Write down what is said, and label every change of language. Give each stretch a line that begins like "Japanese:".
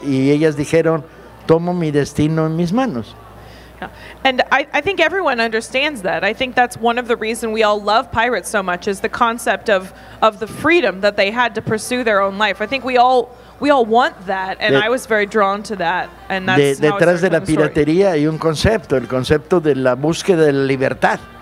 Spanish: Y ellas dijeron, tomo mi destino en mis manos.
English: And I think everyone understands that. I think that's one of the reasons we all love pirates so much is the concept of the freedom that they had to pursue their own life. I think we all want that, and I was very drawn to that. And that's
Spanish: detrás de la piratería hay un concepto, el concepto de la búsqueda de la libertad.